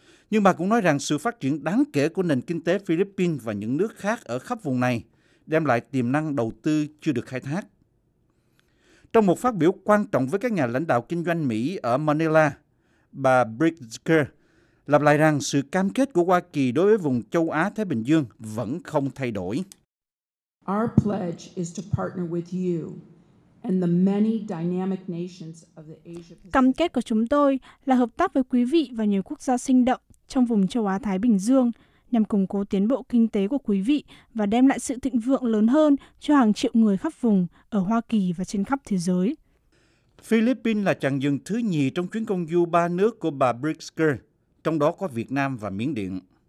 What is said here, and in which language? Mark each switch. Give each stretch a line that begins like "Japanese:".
Vietnamese: Nhưng bà cũng nói rằng sự phát triển đáng kể của nền kinh tế Philippines và những nước khác ở khắp vùng này đem lại tiềm năng đầu tư chưa được khai thác. Trong một phát biểu quan trọng với các nhà lãnh đạo kinh doanh Mỹ ở Manila, bà Pritzker lặp lại rằng sự cam kết của Hoa Kỳ đối với vùng châu Á-Thái Bình Dương vẫn không thay đổi.
English: Our pledge is to partner with you and the many dynamic nations of the Asia Pacific.
Vietnamese: Cam kết của chúng tôi là hợp tác với quý vị và nhiều quốc gia sinh động trong vùng châu Á Thái Bình Dương nhằm củng cố tiến bộ kinh tế của quý vị và đem lại sự thịnh vượng lớn hơn cho hàng triệu người khắp vùng ở Hoa Kỳ và trên khắp thế giới. Philippines là chặng dừng thứ nhì trong chuyến công du ba nước của bà Pritzker, trong đó có Việt Nam và Miến Điện.